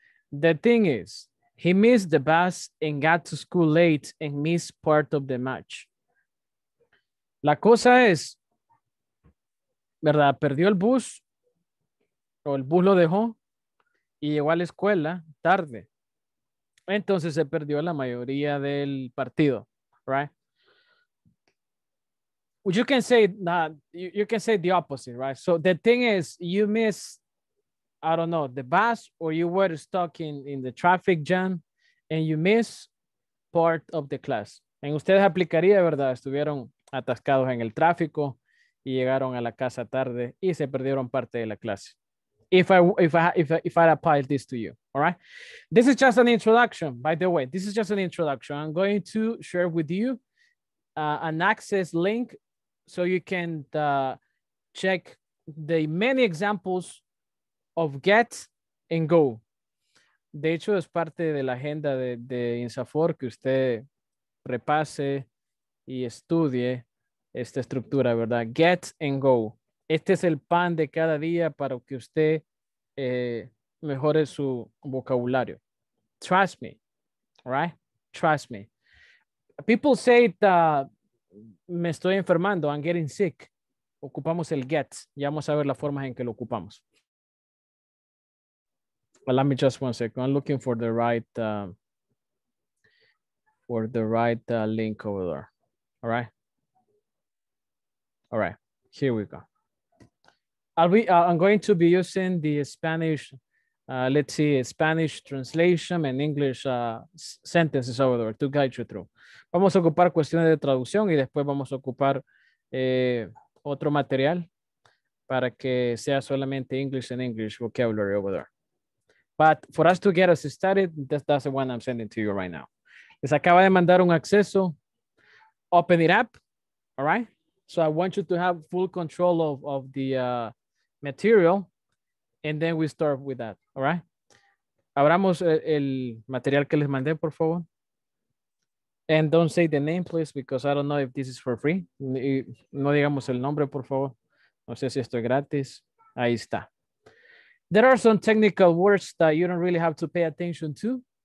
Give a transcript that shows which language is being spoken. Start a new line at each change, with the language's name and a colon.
English: The thing is, he missed the bus and got to school late and missed part of the match.
Spanish: La cosa es, ¿verdad? Perdió el bus o el bus lo dejó y llegó a la escuela tarde. Entonces se perdió la mayoría del partido, right?
English: You can say that you can say the opposite, right? So the thing is, you miss, I don't know, the bus, or you were stuck in the traffic jam and you miss part of the class.
Spanish: En ustedes aplicaría, ¿verdad? Estuvieron atascados en el tráfico y llegaron a la casa tarde y se perdieron parte de la clase.
English: If I apply this to you, all right? This is just an introduction, by the way. This is just an introduction. I'm going to share with you an access link so you can check the many examples of get and go.
Spanish: De hecho, es parte de la agenda de INSAFOR que usted repase y estudie esta estructura, ¿verdad? Get and go. Este es el pan de cada día para que usted mejore su vocabulario.
English: Trust me, right? Trust me. People say that
Spanish: me estoy enfermando,
English: I'm getting sick.
Spanish: Ocupamos el get. Ya vamos a ver las formas en que lo ocupamos.
English: Well, let me just one second. I'm looking for the right link over there. All right. Here we go. I'm going to be using the Spanish. Let's see, Spanish translation and English sentences over there to guide you through.
Spanish: Vamos a ocupar cuestiones de traducción y después vamos a ocupar otro material para que sea solamente
English: English and English vocabulary over there. But for us to get us started, that's the one I'm sending to you right now.
Spanish: Les acaba de mandar un acceso.
English: Open it up, all right? So I want you to have full control of the material, and then we start with that, all right?
Spanish: Abramos el material que les mandé, por favor.
English: And don't say the name, please, because I don't know if this is for free.
Spanish: No digamos el nombre, por favor. No sé si esto es gratis. Ahí está.
English: There are some technical words that you don't really have to pay attention to.